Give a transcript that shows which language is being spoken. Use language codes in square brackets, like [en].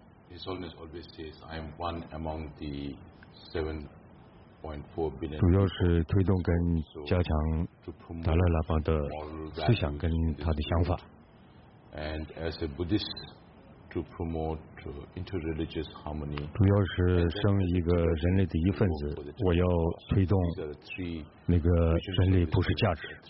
[en] His Holiness always says I am one among the 7.4 billion. [zh] 主要是推动跟加强达赖喇嘛的思想跟他的想法。 [en] And as a Buddhist. To promote interreligious harmony. [zh] 主要是身为一个人类的一份子，我要推动那个人类普世价值。